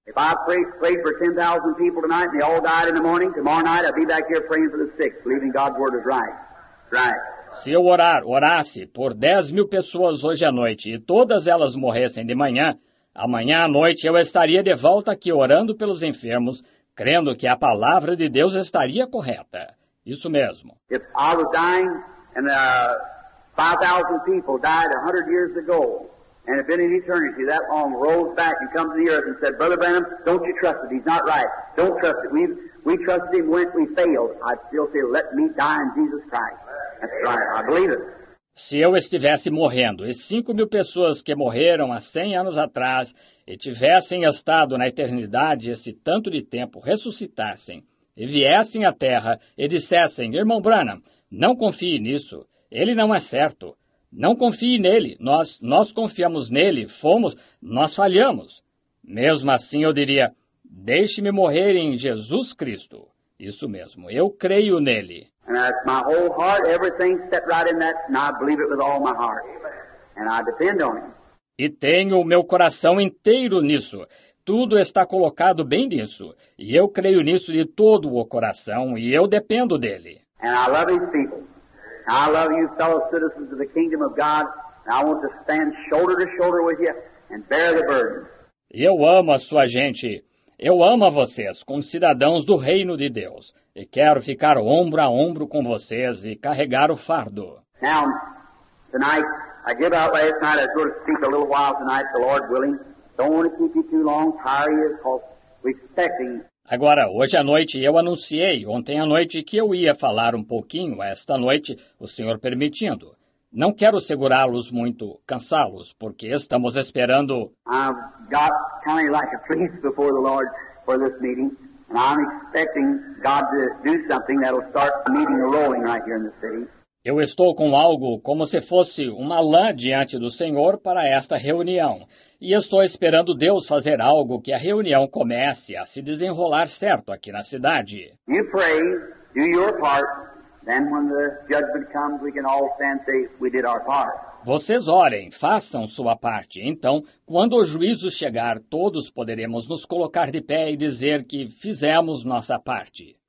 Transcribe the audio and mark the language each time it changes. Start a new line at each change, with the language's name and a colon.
English: If I prayed for 10,000 people tonight and they all died in the morning, tomorrow night I'd be back here praying for the sick, believing God's word is right. Right.
Portuguese: Se eu orasse por 10,000 pessoas hoje à noite e todas elas morressem de manhã, amanhã à noite eu estaria de volta aqui orando pelos enfermos, crendo que a palavra de Deus estaria correta. Isso mesmo.
English: If I was dying and 5,000 people died 100 years ago, and if in an eternity that arm rolls back and comes to the earth and said, Brother Branham, don't you trust it? He's not right. Don't trust it. We trusted him when we failed. I'd still say, let me die in Jesus Christ. That's right. I believe it.
Portuguese: Se eu estivesse morrendo, e 5,000 pessoas que morreram há 100 anos atrás e tivessem estado na eternidade esse tanto de tempo, ressuscitassem e viessem à terra e dissessem, Irmão Branham, não confie nisso. Ele não é certo. Não confie nele. Nós confiamos nele. Nós falhamos. Mesmo assim, eu diria, deixe-me morrer em Jesus Cristo. Isso mesmo. Eu creio nele.
English: And that's my whole heart. Everything set right in that. And I believe it with all my heart. And I depend on him.
Portuguese: E tenho o meu coração inteiro nisso. Tudo está colocado bem nisso. E eu creio nisso de todo o coração. E eu dependo dele.
English: And I love his people. I love you, fellow citizens of the kingdom of God, and I want to stand shoulder to shoulder with you and bear the burden.
Portuguese: Eu amo a sua gente. Eu amo a vocês, como cidadãos do reino de Deus, e quero ficar ombro a ombro com vocês e carregar o fardo.
English: Now, tonight, I give out last night, I was going to speak a little while tonight, the Lord willing. Don't want to keep you too long, tire you, because we're expecting.
Portuguese: Agora, hoje à noite, eu anunciei, ontem à noite, que eu ia falar um pouquinho esta noite, o Senhor permitindo. Não quero segurá-los muito, cansá-los, porque estamos esperando.
English: I've got kind of like a priest before the Lord for this meeting, and I'm expecting God to do something that'll start the meeting rolling right here in the city.
Portuguese: Eu estou com algo como se fosse uma lã diante do Senhor para esta reunião. E estou esperando Deus fazer algo que a reunião comece a se desenrolar certo aqui na cidade.
English: You pray, do your part, then when the judgment comes, we can all stand safe, we did our part.
Portuguese: Vocês orem, façam sua parte. Então, quando o juízo chegar, todos poderemos nos colocar de pé e dizer que fizemos nossa parte.